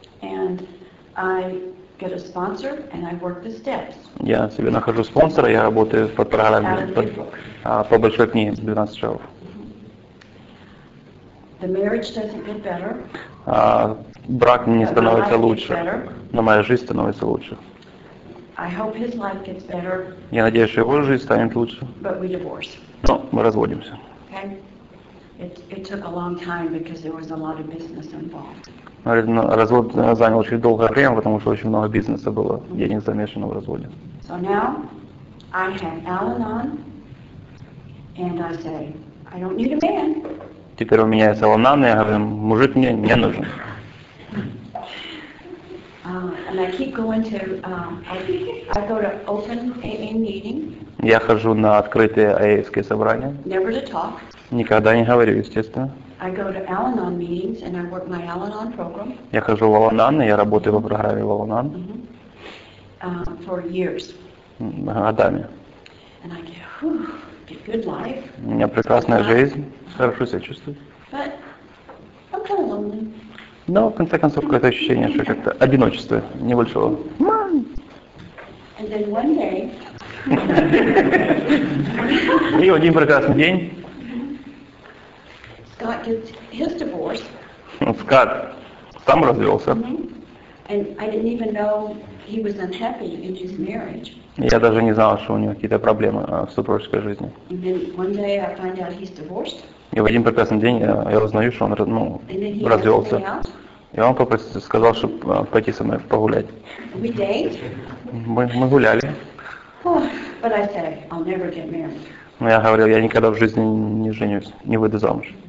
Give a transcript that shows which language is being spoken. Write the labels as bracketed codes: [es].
[en] And I get a sponsor, and I work the steps. [ru] Я себе нахожу спонсора, я работаю под программой, по большой книге, 12 шагов. [en] The marriage doesn't get better. [ru] Брак мне становится лучше, но моя жизнь становится лучше. [en] I hope his life gets better. [ru] Я надеюсь, что его жизнь станет лучше. [en] But we divorce. [ru] Но мы разводимся. [en] Okay. It took a long time because there was a lot of business involved. [ru] Развод занял очень долгое время, потому что очень много бизнеса было, денег замешано в разводе. [en] So now I have Al-Anon, and I say, I don't need a man. [ru] Теперь у меня есть Al-Anon, и я говорю, мужик мне не нужен. [en] And I keep going to I go to open AA meeting. [ru] Я хожу на открытые АА-ские собрания. [en] Never to talk. [ru] Никогда не говорю, естественно. [en] I go to Al-Anon meetings and I work my Al-Anon program. [ru] Я хожу в Al-Anon, я работаю по программе Al-Anon. [en] For years. [ru] Годами. [en] And I get, whew, good life. [ru] У меня прекрасная жизнь. Хорошо себя чувствую. [en] But I'm kind of lonely. [ru] Но, в конце концов, какое-то ощущение, что как-то одиночество небольшого. [en] And then one day... [ru] И один прекрасный день... [en] Scott gets his divorce. [ru] Скотт сам развелся. [en] And I didn't even know he was unhappy in his marriage. [ru] Я даже не знал, что у него какие-то проблемы в супружеской жизни. [en] And then one day I find out he's divorced. [ru] И в один прекрасный день я узнаю, что он развелся. И он попросил, сказал, чтобы пойти со мной погулять. Мы гуляли. [en] But I said, I'll never get married. [ru] Но я говорил, я никогда в жизни не женюсь, не выйду замуж.